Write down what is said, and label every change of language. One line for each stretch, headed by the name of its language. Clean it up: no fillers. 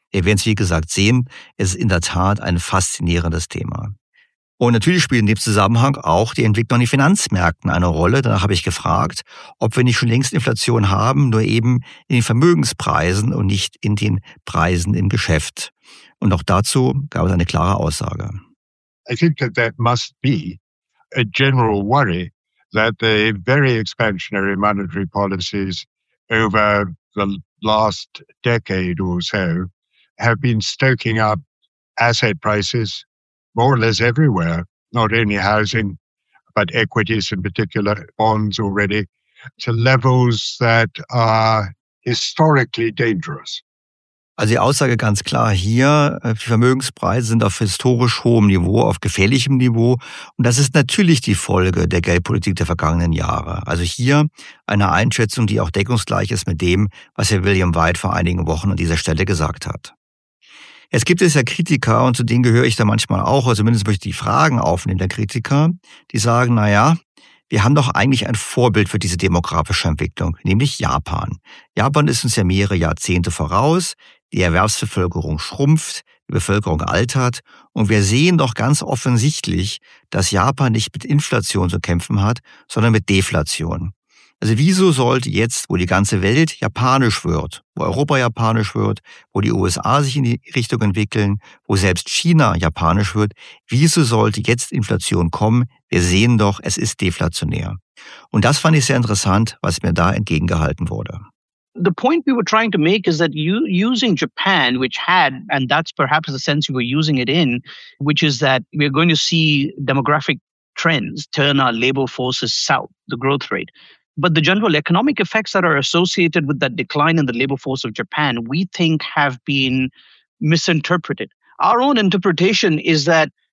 German: Wir werden es, wie gesagt, sehen. Es ist in der Tat ein faszinierendes Thema. Und natürlich spielt in dem Zusammenhang auch die Entwicklung in den Finanzmärkten eine Rolle. Danach habe ich gefragt, ob wir nicht schon längst Inflation haben, nur eben in den Vermögenspreisen und nicht in den Preisen im Geschäft. Und auch dazu gab es eine klare Aussage.
English: I think that that must be a general worry that the very expansionary monetary policies over the last decade or so have been stoking up asset prices more or less everywhere, not only housing, but equities in particular, bonds already, to levels that are historically dangerous.
German: Also die Aussage ganz klar hier, die Vermögenspreise sind auf historisch hohem Niveau, auf gefährlichem Niveau. Und das ist natürlich die Folge der Geldpolitik der vergangenen Jahre. Also hier eine Einschätzung, die auch deckungsgleich ist mit dem, was Herr William White vor einigen Wochen an dieser Stelle gesagt hat. Es gibt es ja Kritiker, und zu denen gehöre ich da manchmal auch, also zumindest möchte ich die Fragen aufnehmen der Kritiker, die sagen, naja, wir haben doch eigentlich ein Vorbild für diese demografische Entwicklung, nämlich Japan. Japan ist uns ja mehrere Jahrzehnte voraus, die Erwerbsbevölkerung schrumpft, die Bevölkerung altert und wir sehen doch ganz offensichtlich, dass Japan nicht mit Inflation zu kämpfen hat, sondern mit Deflation. Also wieso sollte jetzt, wo die ganze Welt japanisch wird, wo Europa japanisch wird, wo die USA sich in die Richtung entwickeln, wo selbst China japanisch wird, wieso sollte jetzt Inflation kommen? Wir sehen doch, es ist deflationär. Und das fand ich sehr interessant, was mir da entgegengehalten wurde.
English: The point we were trying to make is that using Japan, which had, and that's perhaps the sense you were using it in, which is that we're going to see demographic trends turn our labor forces south, the growth rate. But the general economic effects that are associated with that decline in the labor force of Japan, we think have been misinterpreted. Our own interpretation is that